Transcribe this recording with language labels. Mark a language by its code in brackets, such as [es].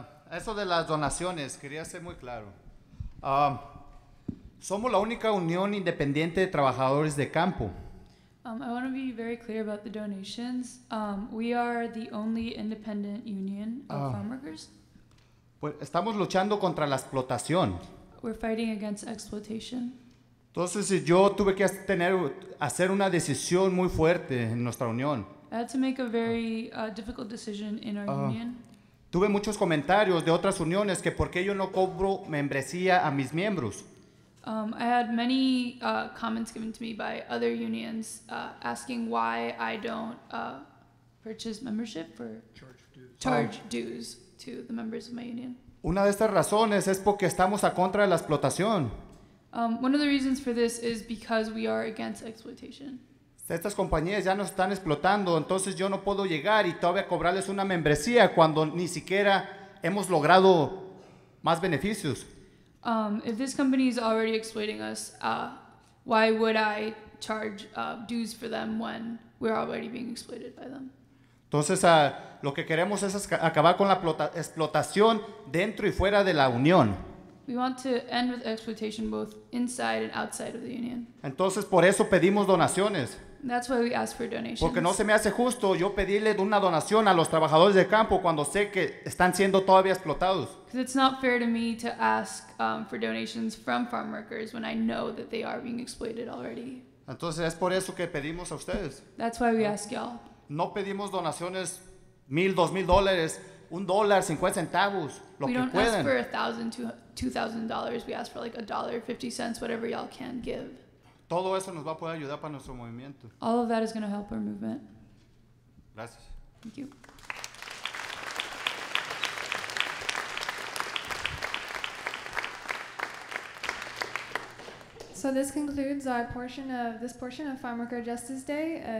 [es] Eso de las donaciones, quería ser muy claro. Somos la única unión independiente de trabajadores de campo. [en] I wanna be very clear about the donations. We are the only independent union of farmworkers. [es] Pues estamos luchando contra la explotación. [en] We're fighting against exploitation. [es] Entonces yo tuve que hacer una decisión muy fuerte en nuestra unión. [en] I had to make a very difficult decision in our union. [es] Tuve muchos comentarios de otras uniones que por qué yo no cobro membresía a mis miembros. [en] I had many comments given to me by other unions asking why I don't purchase membership for charge dues to the members of my union. [es] Una de estas razones es porque estamos a contra de la explotación. [en] One of the reasons for this is because we are against exploitation. [es] Estas compañías ya nos están explotando, entonces yo no puedo llegar y todavía cobrarles una membresía cuando ni siquiera hemos logrado más beneficios. [en] If this company is already exploiting us, why would I charge dues for them when we're already being exploited by them? [es] Entonces, lo que queremos es acabar con la explotación dentro y fuera de la unión. [en] We want to end with exploitation both inside and outside of the union. [es] Entonces, por eso pedimos donaciones. [en] That's why we ask for donations. [es] Porque no se me hace justo yo pedirle una donación a los trabajadores de campo cuando sé que están siendo todavía explotados. [en] Because it's not fair to me to ask for donations from farm workers when I know that they are being exploited already. [es] Entonces, es por eso que pedimos a ustedes. [en] That's why we ask y'all. [es] No pedimos donaciones $1,000, $2,000, $1.50, lo que pueden. [en] We don't ask for $1,000, $2,000. We ask for like $1.50, whatever y'all can give. [es] Todo eso nos va a poder ayudar para nuestro movimiento. [en] All of that is going to help our movement. [es] Gracias. [en] Thank you. So this concludes our portion of this portion of Farmworker Justice Day.